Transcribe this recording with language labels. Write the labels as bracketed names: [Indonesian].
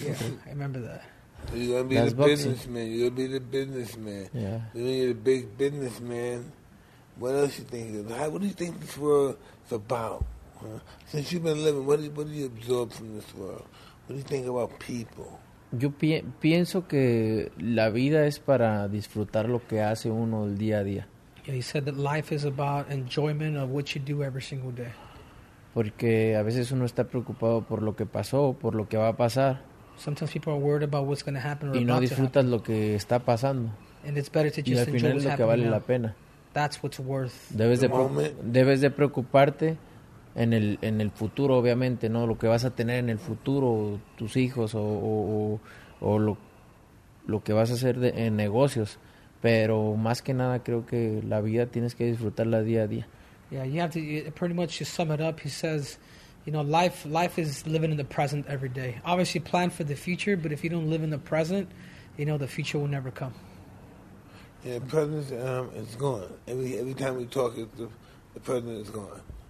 [English] him. Yeah, I remember that. So you're gonna be that's the boxing. Businessman. You're gonna be the businessman. Yeah. You're a big businessman. What else you think? What do you think this world is about? Huh? Since you've been living, what do you absorb from this world? What do you think about people? [Spanish] Yo pienso que la vida es para disfrutar lo que hace uno el día a día. [English] Yeah, he said that life is about enjoyment of what you do every single day. [Spanish] Porque a veces uno está preocupado por lo que pasó, por lo que va a pasar. [English] Sometimes people are worried about what's going to happen or [Spanish] y no disfrutas lo que está pasando. [English] And it's better to just [Spanish] y al final es lo que vale la pena. [English] That's what's worth. [Spanish] Debes de preocuparte en el futuro, obviamente, ¿no? Lo que vas a tener en el futuro, tus hijos o lo que vas a hacer en negocios. Pero más que nada creo que la vida tienes que disfrutarla día a día. [English] Yeah, you have to pretty much to sum it up. He says, you know, life is living in the present every day. Obviously, plan for the future, but if you don't live in the present, you know, the future will never come. Yeah, present is gone. Every time we talk, the present is gone.